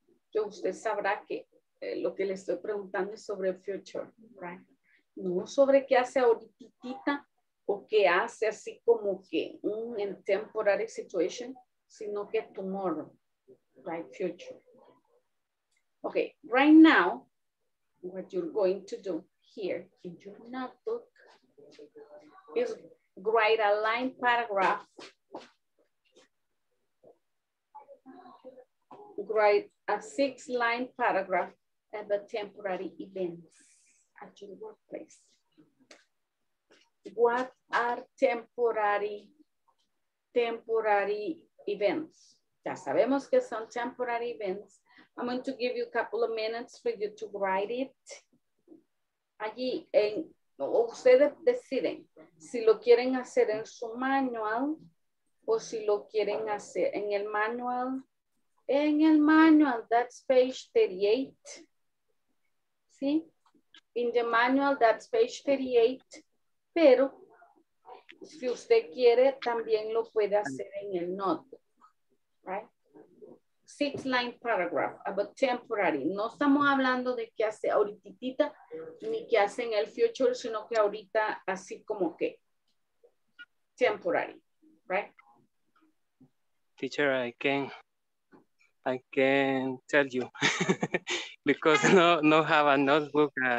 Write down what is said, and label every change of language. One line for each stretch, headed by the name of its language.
Spanish: Yo, usted sabrá que lo que le estoy preguntando es sobre el future, ¿right? No sobre qué hace ahorita, o que hace así como que un
English: temporary situation,
Spanish: sino que tomorrow, right, future.
English: Okay, right now, what you're going to do here in your notebook is write a line paragraph. Write a 6-line paragraph about temporary events at your workplace. What are temporary events?
Spanish: Ya sabemos que son
English: temporary events. I'm going to give you a couple of minutes for you to write it.
Spanish: Allí, ustedes deciden si lo quieren hacer en su manual o si lo quieren hacer en el manual. En el manual,
English: that's page 38.
Spanish: ¿Sí?
English: In the manual, that's page 38.
Spanish: Pero si usted quiere, también lo puede hacer en el notebook, right?
English: six line paragraph about temporary.
Spanish: No estamos hablando de qué hace ahorita, ni qué hace en el future, sino que ahorita así como que temporary, right?
English: Teacher, I can tell you because no have a notebook.